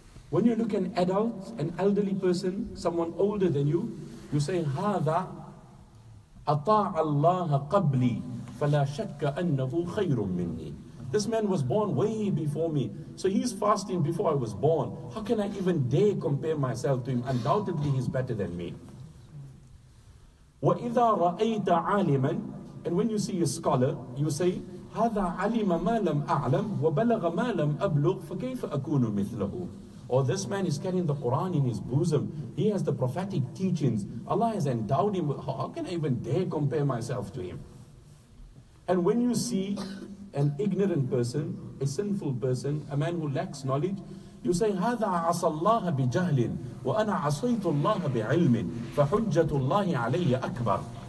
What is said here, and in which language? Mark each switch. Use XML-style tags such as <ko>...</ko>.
<en>When you look at an adult, an elderly person, someone older than you, you say,</en> <ar>هَذَا أَطَاعَ اللَّهَ قَبْلِي فَلَا شَكَّ أَنَّهُ خَيْرٌ مِّنِّي.</ar> <en>This man was born way before me. So he's fasting before I was born. How can I even dare compare myself to him? Undoubtedly, he's better than me.</en> <ar>وَإِذَا رَأَيْتَ عَالِمًا.</ar> <en>And when you see a scholar, you say,</en> <ar>هَذَا عَلِمَ مَا لَمْ أَعْلَمْ وَبَلَغَ مَا لَمْ أَبْلُغْ فَكَيْفَ أَكُونُ مِثْلَهُ.</ar> <en>Or this man is carrying the Quran in his bosom. He has the prophetic teachings. Allah has endowed him. How can I even dare compare myself to him? And when you see an ignorant person, a sinful person, a man who lacks knowledge, you say,</en> <ar>هَذَا عَصَى اللَّهَ بِجَهْلٍ وَأَنَا عَصَيْتُ اللَّهَ بِعِلْمٍ فَحُجَّةُ اللَّهِ عَلَيَّ أَكْبَرٍ.</ar>